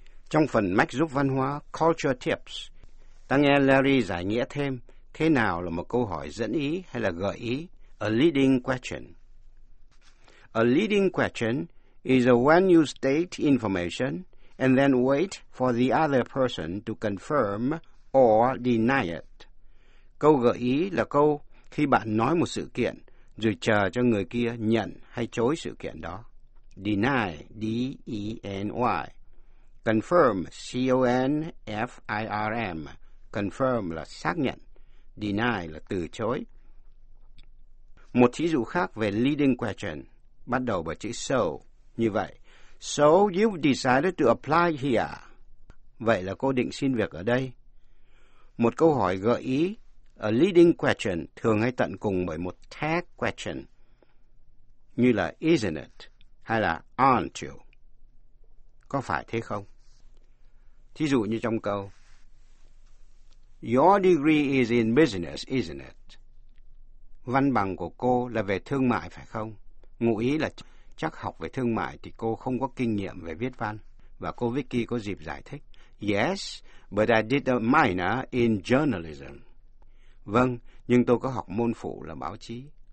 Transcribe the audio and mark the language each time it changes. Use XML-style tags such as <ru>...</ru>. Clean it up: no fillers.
<vi>Trong phần mách giúp văn hóa Culture Tips, ta nghe Larry giải nghĩa thêm thế nào là một câu hỏi dẫn ý hay là gợi ý, a leading question.</vi> <en>A leading question is when you state information and then wait for the other person to confirm or deny it.</en> <vi>Câu gợi ý là câu khi bạn nói một sự kiện, rồi chờ cho người kia nhận hay chối sự kiện đó.</vi> <en>Deny, D-E-N-Y. Confirm, C-O-N-F-I-R-M.</en> <vi>Confirm là xác nhận. Deny là từ chối. Một thí dụ khác về leading question, bắt đầu bởi chữ so. Như vậy,</vi> <en>so you decided to apply here.</en> <vi>Vậy là cô định xin việc ở đây. Một câu hỏi gợi ý, a leading question thường hay tận cùng bởi một tag question, như là isn't it, hay là aren't you, có phải thế không? Thí dụ như trong câu,</vi> <en>your degree is in business, isn't it?</en> <vi>Văn bằng của cô là về thương mại phải không? Ngụ ý là chắc học về thương mại thì cô không có kinh nghiệm về viết văn. Và cô Vicky có dịp giải thích,</vi> <en>yes, but I did a minor in journalism.</en> <vi>Vâng, nhưng tôi có học môn phụ là báo chí.</vi>